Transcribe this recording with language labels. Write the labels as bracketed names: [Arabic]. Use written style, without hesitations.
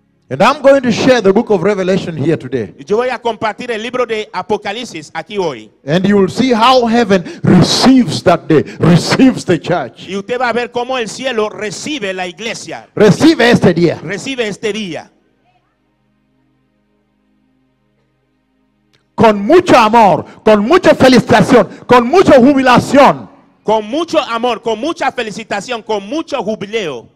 [English] And I'm going to share the book of Revelation here today. [Spanish] Yo voy a compartir el libro de Apocalipsis aquí hoy. [English] And you will see how heaven receives that day, receives the church. [Spanish] Y usted va a ver cómo el cielo recibe la iglesia. Recibe este día. Recibe este día. Con mucho amor, con mucha felicitación, con mucha jubilación. Con mucho amor, con mucha felicitación, con mucho jubileo.